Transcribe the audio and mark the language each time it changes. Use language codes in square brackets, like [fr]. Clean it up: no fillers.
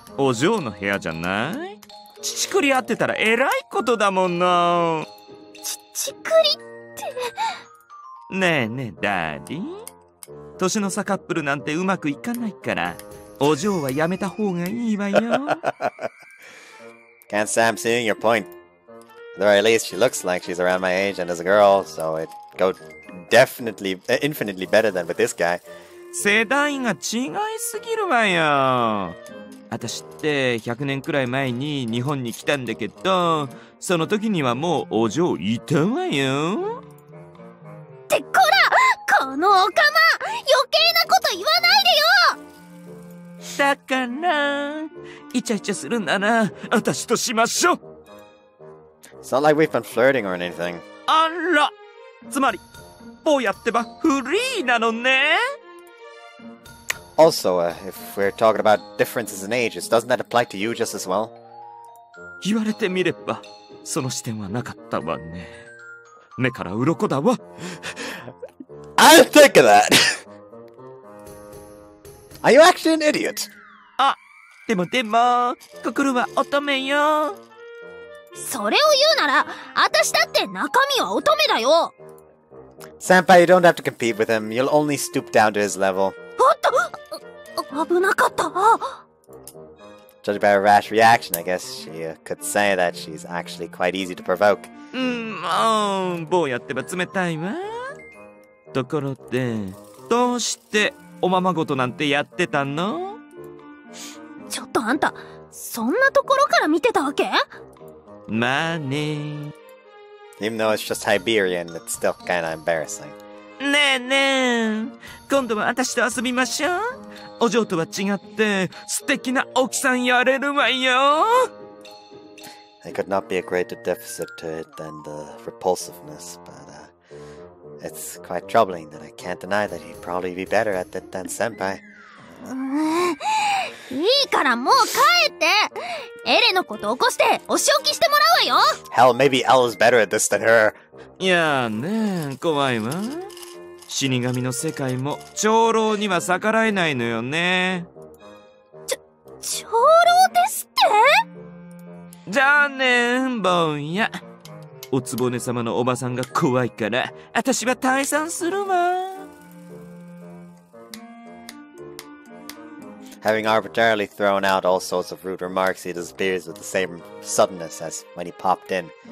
[ja] お嬢の部屋じゃない?乳くり合ってたらえらいことだもんな。乳くりって… ねえねえ、ダーディ。年の差カップルなんてうまくいかないから、お嬢はやめた方がいいわよ。 [en] Can't say I'm seeing your point. At the very least, she looks like she's around my age and as a girl, so it'd go definitely, infinitely better than with this guy. [ja] 世代が違いすぎるわよ。私って100年くらい前に日本に来たんだけど、その時にはもうお嬢いたわよ。ってこら!このおかま! 余計なこと言わないでよ! だから、イチャイチャするなら私としましょ! [en] It's not like we've been flirting or anything. [ja] あら、つまり、ぼうやってばフリーなのね。 [en] Also, if we're talking about differences in ages, doesn't that apply to you just as well? [ja] 言われてみれば、その視点はなかったわね。目から鱗だわ。 [en] I'll take that! Are you actually an idiot? [ja] あ、でもでも、心は乙女よ。それを言うなら、私だって中身は乙女だよ。 [en] Senpai, you don't have to compete with him. You'll only stoop down to his level. [ja] おっと、危なかった。 [en] Judging by her rash reaction, I guess she could say that she's actually quite easy to provoke. [ja] ぼうやってば冷たいわ。ところで、どうしておままごとなんてやってたの? ちょっとあんた、そんなところから見てたわけ? まあね。 [en] Even though it's just Hiberian, it's still kinda embarrassing. [ja] ねえねえ。今度は私と遊びましょう。お嬢とは違って、素敵な奥さんやれるわよ。 [en] It could not be a greater deficit to it than the repulsiveness, but, it's quite troubling that I can't deny that he'd probably be better at it than Senpai. [ja] いいからもう帰って! エレのこと起こしてお仕置きしてもらうわよ! [en] Hell, maybe Elle is better at this than her. [ja] いやーねえ、怖いわ。死神の世界も長老には逆らえないのよね。長老ですって? じゃあねえ、ぼんや。おつぼね様のおばさんが怖いから、私は退散するわ。 [en] Having arbitrarily thrown out all sorts of rude remarks, he disappears with the same suddenness as when he popped in.